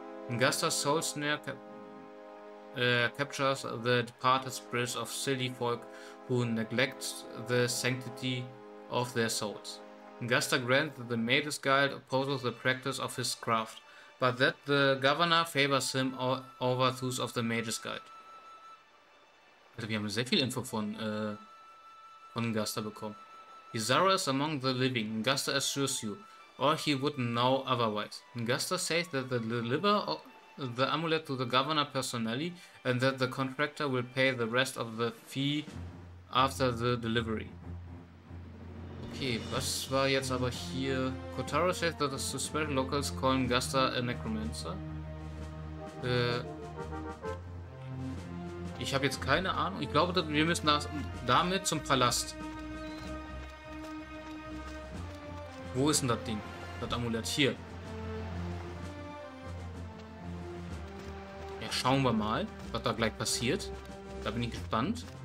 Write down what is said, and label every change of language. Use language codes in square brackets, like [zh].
[en] Ngasta's soul snare captures the departed spirits of silly folk who neglect the sanctity of their souls. Ngasta grants that the Mage's Guild opposes the practice of his craft, but that the governor favors him over those of the Mage's Guild. [de] Also, wir haben sehr viel Info von Ngasta bekommen. [en] Izara is among the living, Ngasta assures you. Or he would know otherwise. Ngasta says that the deliver the amulet to the governor personally and that the contractor will pay the rest of the fee after the delivery. Okay, [de] was war jetzt aber hier? [en] Kotaro says that the suspect locals call Ngasta a necromancer. [de] Ich habe jetzt keine Ahnung. Ich glaube, wir müssen damit zum Palast. Wo ist denn das Ding? Das Amulett hier. Ja, schauen wir mal, was da gleich passiert. Da bin ich gespannt.